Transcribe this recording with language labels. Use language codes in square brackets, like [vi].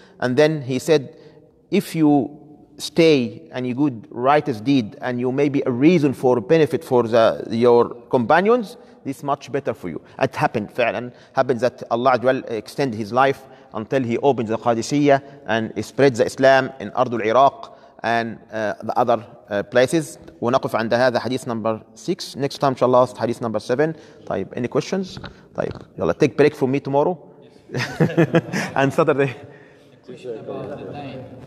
[en] And then he said, if you stay and you good righteous deed and you may be a reason for benefit for your companions, this much better for you. It happened, fa'lan, happened that Allah Azwal extended his life until he opened the Qadisiyah and spread the Islam in Ardul Iraq and the other places. [ar] ونقف عند هذا حديث [en] number 6. Next time, inshallah, حديث number 7. طيب, any questions? طيب, يلا, take break from me tomorrow. And Saturday.